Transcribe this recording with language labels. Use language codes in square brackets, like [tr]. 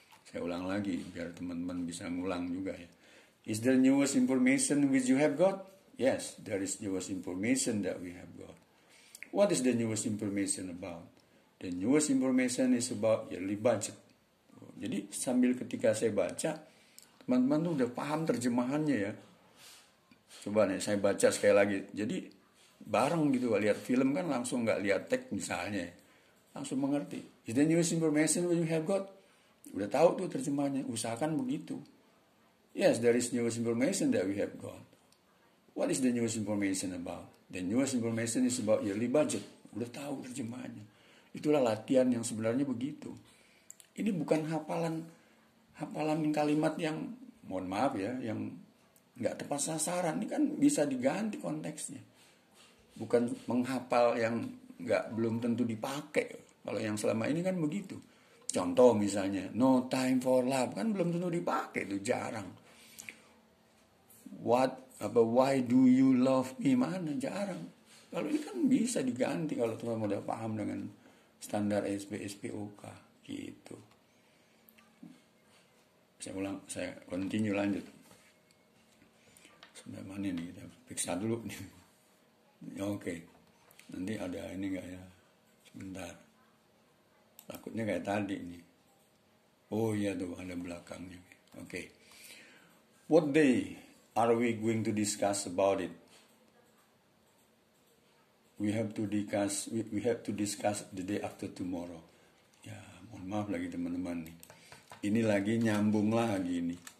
[id] Saya ulang lagi biar teman-teman bisa ngulang juga ya. [en] Is there newest information which you have got? Yes, there is newest information that we have got. What is the newest information about? The newest information is about yearly budget. [id] Jadi sambil ketika saya baca, teman-teman tuh udah paham terjemahannya ya. Coba nih saya baca sekali lagi. Jadi bareng gitu, lihat film kan langsung gak lihat teks misalnya, langsung mengerti. [en] Is the newest information which you have got? [id] Udah tahu tuh terjemahannya, usahakan begitu. [en] Yes, there is newest information that we have got. What is the newest information about? The newest information is about yearly budget. [id] Udah tahu terjemahannya. Itulah latihan yang sebenarnya begitu. Ini bukan hafalan kalimat yang, mohon maaf ya, yang gak tepat sasaran. Ini kan bisa diganti konteksnya. Bukan menghafal yang belum tentu dipakai. Kalau yang selama ini kan begitu. Contoh misalnya, [en] no time for love [id] kan belum tentu dipakai, itu jarang. [en] Why do you love me, [id] mana jarang. Kalau ini kan bisa diganti kalau teman-teman udah paham dengan standar SPSPOK gitu. Saya ulang, saya continue lanjut. Sampai mana ini, kita periksa dulu nih. Ya, oke. Nanti ada ini enggak ya? Sebentar. Takutnya kayak tadi nih. Oh iya tuh ada belakangnya. Oke. Okay. [en] What day are we going to discuss about it? We have to discuss the day after tomorrow. [id] Ya, mohon maaf lagi teman-teman nih. Ini lagi nyambung lagi ini.